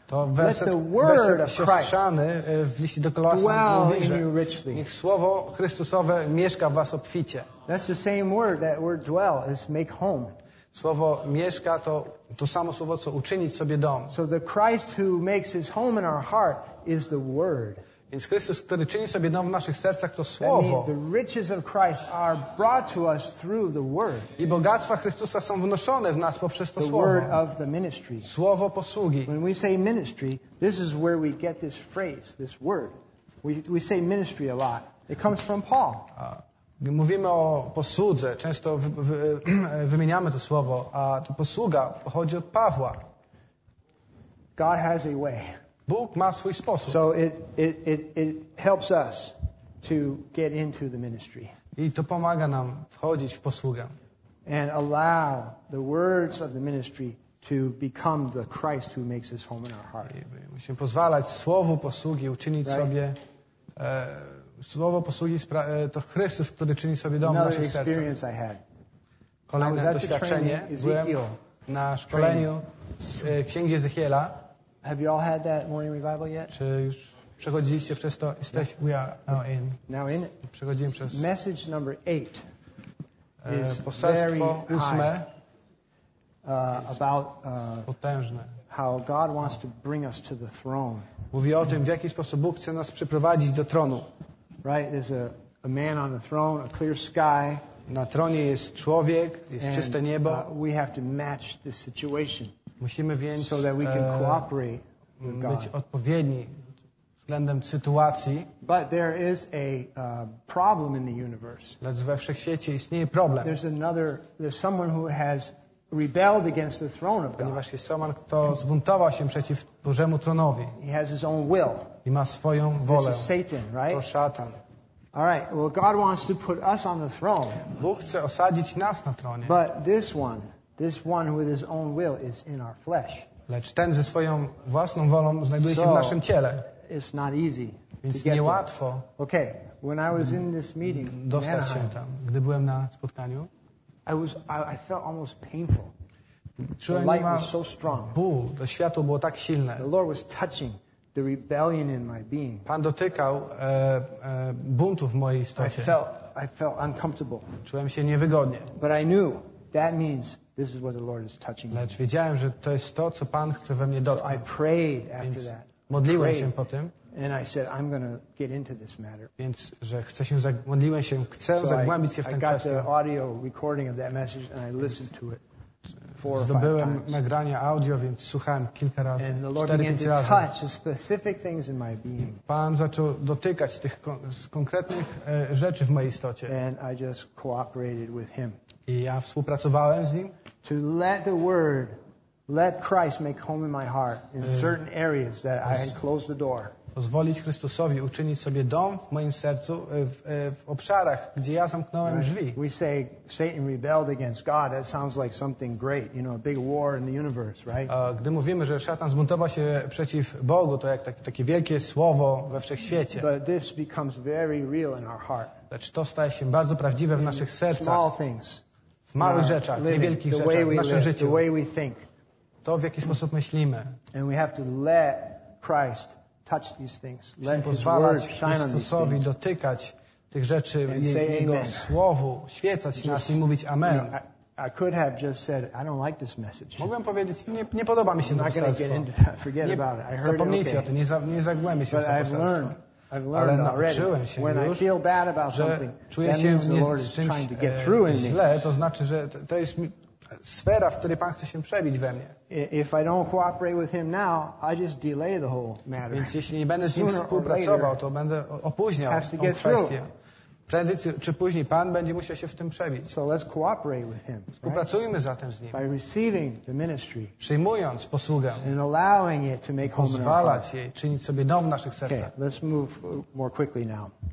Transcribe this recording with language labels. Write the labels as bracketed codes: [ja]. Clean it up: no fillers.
[pl] To werset siostrzany w liście do Kolosan mówi, że niech słowo Chrystusowe mieszka w was obficie. [en] That's the same word, that word dwell, is make home. [pl] Słowo mieszka to samo słowo, co uczynić sobie dom. [en] So the Christ who makes his home in our heart is the word. [pl] Więc Chrystus, który czyni sobie dom w naszych sercach, to słowo. [en] The riches of Christ are brought to us through the word. [pl] I bogactwa Chrystusa są wnoszone w nas poprzez to [en] the [pl] słowo. [en] Word of the ministry. [pl] Słowo posługi. [en] When we say ministry, this is where we get this phrase, this word. We say ministry a lot. It comes from Paul. [pl] Mówimy o posłudze. Często wymieniamy to słowo, a to posługa pochodzi od Pawła. [en] God has a way. [pl] Bóg ma swój sposób. [en] So it helps us to get into the ministry. [pl] I to pomaga nam wchodzić w posługę. [en] And allow the words of the ministry to become the Christ who makes his home in our heart. [pl] Musimy pozwalać słowu posługi uczynić sobie słowo posługi to Chrystus, który czyni sobie dom [en] Another [pl] w naszych [en] experience [pl] sercach. [en] I had. [pl] Kolejne [en] I was [pl] doświadczenie. Byłem na szkoleniu z Księgi Ezechiela. [en] Have you all had that morning revival yet? [pl] Czy już przechodziliście przez to? Jesteś, [en] yeah. We are now in. Now in. [pl] Przechodzimy przez. [en] Message number 8. [pl] Poselstwo ósme. [en] About [pl] potężne. [en] How God wants to bring us to the throne. [pl] Mówi o tym, w jaki sposób Bóg chce nas przyprowadzić do tronu. [en] Right, there's a man on the throne, a clear sky. [pl] Na tronie jest człowiek, jest [en] and, [pl] czyste niebo. [en] We have to match this situation. [pl] Musimy więc [en] so that we can cooperate with God. [pl] Być odpowiedni względem sytuacji. [en] But there is a problem in the universe. [pl] Lecz we wszechświecie istnieje problem. [en] There's someone who has rebelled against the throne of God. [pl] Ponieważ jest [en] someone, [pl] kto zbuntował się przeciw Bożemu tronowi. [en] He has his own will. [pl] I ma swoją wolę. [en] This is Satan, right? [pl] To szatan. [en] All right. Well, God wants to put us on the throne. [pl] Bóg chce osadzić nas na tronie. [en] But this one with his own will is in our flesh. [pl] Lecz ten ze swoją własną wolą znajduje się w naszym ciele. [en] It's not easy. [pl] Więc niełatwo. [en] Okay. When I was in this meeting, [pl] dostać się tam, gdy byłem na spotkaniu, [en] I felt almost painful. [pl] Czułem [en] the light was so strong. [pl] Ból. To światło było tak silne. [en] The Lord was touching the rebellion in my being. [pl] Pan dotykał buntu w mojej istocie. [en] I felt uncomfortable. [pl] Czułem się niewygodnie. [en] But I knew that means this is what the Lord is touching. [pl] Lecz wiedziałem, że to jest to, co Pan chce we mnie dotknąć. [en] So I prayed after that. [pl] Modliłem się po tym. [en] And I said, I'm going to get into this matter. [pl] Więc że chcę zagłębić się w ten temat. [en] I got the audio recording of that message and I listened to it. [pl] Zdobyłem nagrania audio, więc słuchałem kilka razy. [en] And the Lord began to touch specific things in my being. [pl] Pan zaczął dotykać tych konkretnych rzeczy w mojej istocie. [en] And I just cooperated with him. [pl] I ja współpracowałem z nim. [en] To let the word, let Christ make home in my heart in certain areas that I had closed the door. [pl] Pozwolić Chrystusowi uczynić sobie dom w moim sercu w obszarach, gdzie ja zamknąłem drzwi. [en] We say Satan rebelled against God. That sounds like something great, you know, a big war in the universe, right? [pl] Gdy mówimy, że szatan zbuntował się przeciw Bogu, to jak takie wielkie słowo we wszechświecie. [en] But this becomes very real in our heart. [pl] Lecz to staje się bardzo prawdziwe w naszych sercach. [en] Small things. [pl] W małych rzeczach, niewielkich rzeczach, w naszym życiu. [en] The way we think. [pl] To w jaki sposób myślimy. [en] And we have to let Christ touch these things. Let His word shine on these things. [pl] Dotykać tych rzeczy Jego słowu, świecać nas i mówić Amen. [en] I could have just said, I don't like this message. [pl] Mogłem powiedzieć, nie podoba mi się to poselstwo. Zapomnijcie o tym, nie zagłębię się w to poselstwo. Ale nauczyłem się już, że czuję się z czymś źle, to znaczy, że to jest sfera, w której Pan chce się przebić we mnie. [en] If I don't cooperate with him now, I just delay the whole matter. [pl] Więc jeśli nie będę z nim współpracował, to będę opóźniał tę kwestię. Prędzej czy później Pan będzie musiał się w tym przebić. [en] So let's cooperate with him, [pl] współpracujmy zatem z nim. [en] By receiving the ministry, [pl] przyjmując posługę. [en] And allowing it to make home [pl] pozwalać jej czynić sobie dom w naszych sercach. [en] Okay, let's move more quickly now.